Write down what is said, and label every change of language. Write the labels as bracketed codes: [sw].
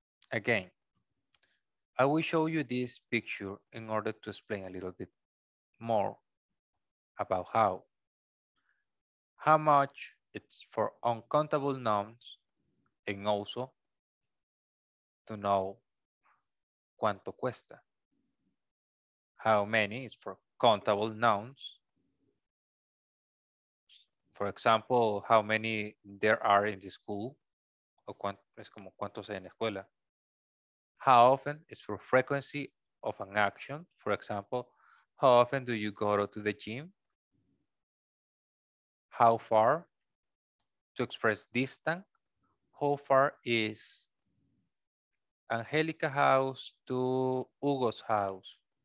[en] Again, I will show you this picture in order to explain a little bit more about how much it's for uncountable nouns, and also to know [es] cuánto cuesta. [en] How many is for countable nouns. For example, how many there are in the school? [es] O es como cuántos hay en la escuela. [en] How often is for frequency of an action? For example, how often do you go to the gym? How far? To express distance, how far is Angelica's house to Hugo's house?